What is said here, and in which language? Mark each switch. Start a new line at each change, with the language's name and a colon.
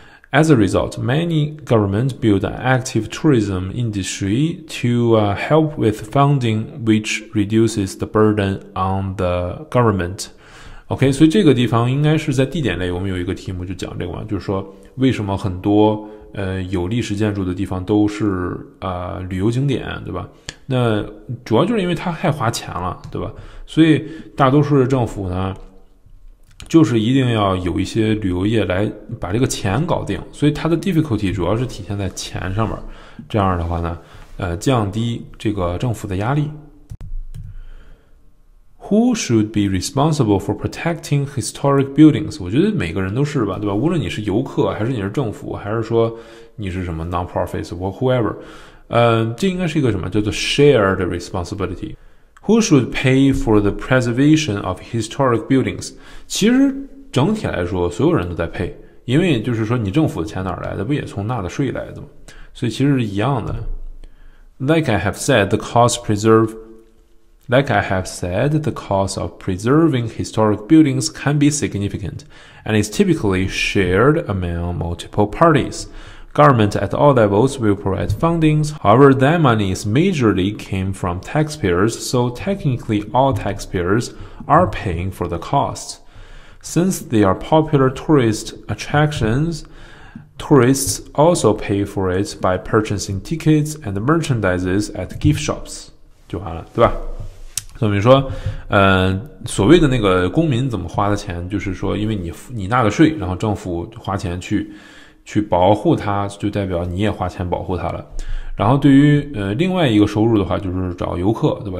English: As a result, many governments build an active tourism industry to help with funding, which reduces the burden on the government.
Chinese: OK, 所以这个地方应该是在地点类，我们有一个题目就讲这个嘛，就是说为什么很多有历史建筑的地方都是旅游景点，对吧？那主要就是因为它太花钱了，对吧？所以大多数的政府呢，就是一定要有一些旅游业来把这个钱搞定。所以它的 difficulty 主要是体现在钱上面。这样的话呢，降低这个政府的压力。
English: Who should be responsible for protecting historic buildings?
Chinese: 我觉得每个人都是吧，对吧？无论你是游客，还是你是政府，还是说你是什么 non-profits or whoever，这应该是一个什么叫做 shared responsibility。
English: Who should pay for the preservation of historic buildings?
Chinese: 其实整体来说，所有人都在配，因为就是说你政府的钱哪来的？不也从纳的税来的吗？
English: 所以其实是一样的。 Like I have said, the cost preserve. Like I have said, the cost of preserving historic buildings can be significant, and is typically shared among multiple parties. Government at all levels will provide fundings, however that money is majorly came from taxpayers, so technically all taxpayers are paying for the cost. Since they are popular tourist attractions, tourists also pay for it by purchasing tickets and merchandises at gift shops.
Chinese: 就完了，对吧？所以说所谓的那个公民怎么花的钱，就是说因为你纳的税，然后政府花钱去保护它，就代表你也花钱保护它了。然后对于另外一个收入的话，就是找游客，对吧？